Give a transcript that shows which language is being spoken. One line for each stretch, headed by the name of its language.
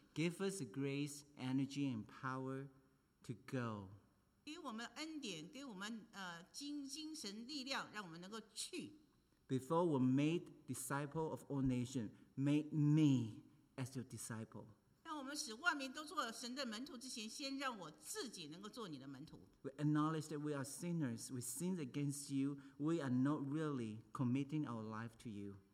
English: Give us the grace, energy, and power to go.
Chinese: 给我们恩典，给我们精神力量，让我们能够去。
English: Before we made disciple of all nations, make me as your disciple.
Chinese: 让我们使万民都做神的门徒之前，先让我自己能够做你的门徒。
English: We acknowledge that we are sinners. We sin against you. We are not really committing our life to you.